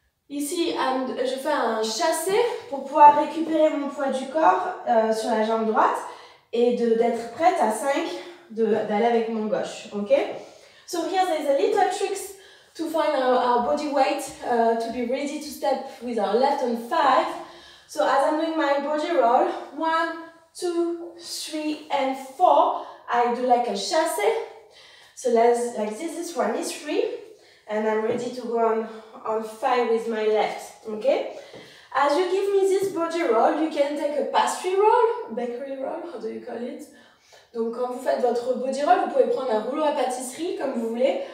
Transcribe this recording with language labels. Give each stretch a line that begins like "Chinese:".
French: Ici, je fais un chassé pour pouvoir récupérer mon poids du corps sur la jambe droite et d'être prête à 5 d'aller avec mon gauche, ok?
English: So here's a little tricks to find our body weight to be ready to step with our left on 5. So as I'm doing my body roll, 1, 2, 3 and 4, I do like a chassé. So let's, like this is 1, is 3 and I'm ready to go on 5 with my left, okay? As you give me this body roll, you can take a pastry roll, bakery roll, how do you call it?
French: Donc quand vous faites votre body roll, vous pouvez prendre un rouleau à pâtisserie comme vous voulez.